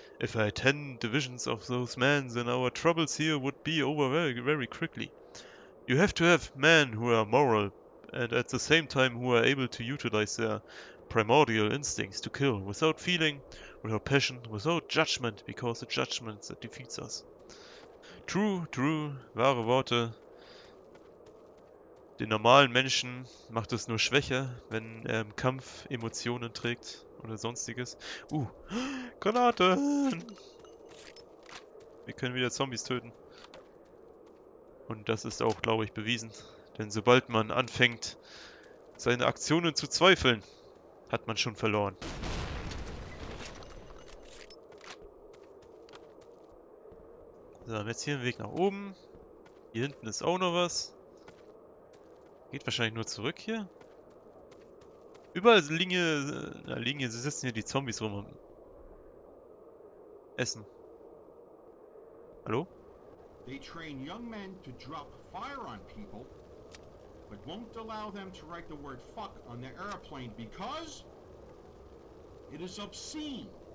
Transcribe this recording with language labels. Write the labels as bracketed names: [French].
[English] If I had 10 divisions of those men, then our troubles here would be over very, very quickly. You have to have men who are moral and at the same time who are able to utilize their primordial instincts to kill without feeling, without passion, without judgment, because the judgment that defeats us. True, true, [German] wahre Worte. Den normalen Menschen macht es nur schwächer, wenn er im Kampf Emotionen trägt oder sonstiges. Granaten! Wir können wieder Zombies töten. Und das ist auch, glaube ich, bewiesen. Denn sobald man anfängt, seine Aktionen zu zweifeln, hat man schon verloren. So, jetzt hier einen Weg nach oben. Hier hinten ist auch noch was. Geht wahrscheinlich nur zurück hier. Überall liegen hier, sie sitzen hier die Zombies rum und essen. Hallo? [English] They train young men to drop fire on people, but won't allow them to write the word fuck on their airplane because it is obscene.